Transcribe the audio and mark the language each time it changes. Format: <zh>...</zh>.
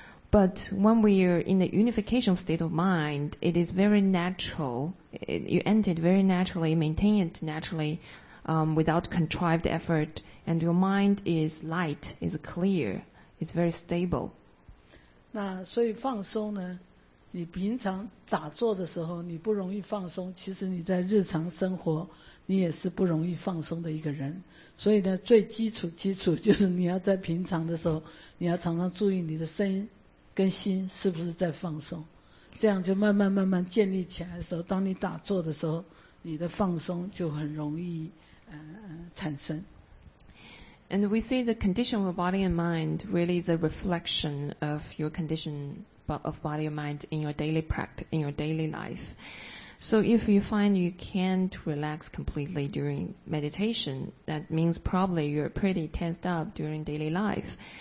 <en>But when we're in the unification state of mind, it is very natural. You enter it very naturally, maintain it naturally, without contrived effort, and your mind is light, is clear, is very stable.</en> <zh>那所以放松呢？你平常打坐的时候你不容易放松，其实你在日常生活你也是不容易放松的一个人。所以呢，最基础就是你要在平常的时候，你要常常注意你的身跟心是不是在放松，这样就慢慢慢慢建立起来的时候，当你打坐的时候，你的放松就很容易产生。</zh> <en>And we see the condition of body and mind really is a reflection of your condition of body and mind in your daily practice, in your daily life. So if you find you can't relax completely during meditation, that means probably you're pretty tensed up during daily life.</en>